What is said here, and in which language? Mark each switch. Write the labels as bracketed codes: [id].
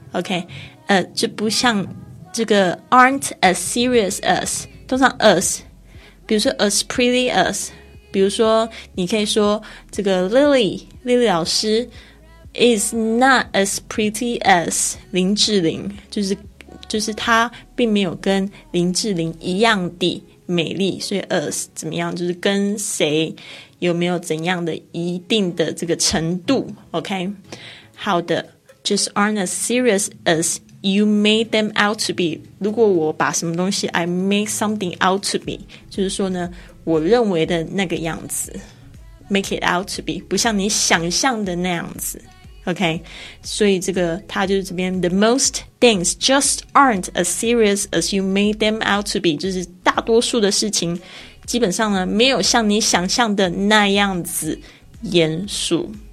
[zh] OK， 就不像这个 [en] aren't as serious as， [zh] 通常 as 比如说 [en] as pretty as， [zh] 比如说你可以说这个 Lily 老师 [en] is not as pretty as [zh] 林志玲，就是她并没有跟林志玲一样的美丽，所以 as 怎么样，就是跟谁有没有怎样的一定的这个程度。 [en] OK， [zh] 好的， [en] Just aren't as serious as you made them out to be。 [zh] 如果我把什么东西 [en] I make something out to be， [zh] 就是说呢我认为的那个样子， [en] make it out to be [zh] 不像你想象的那样子。 OK， 所以这个他就是这边 [en] The most things just aren't as serious as you made them out to be， [zh] 就是大多数的事情基本上呢没有像你想象的那样子严肃。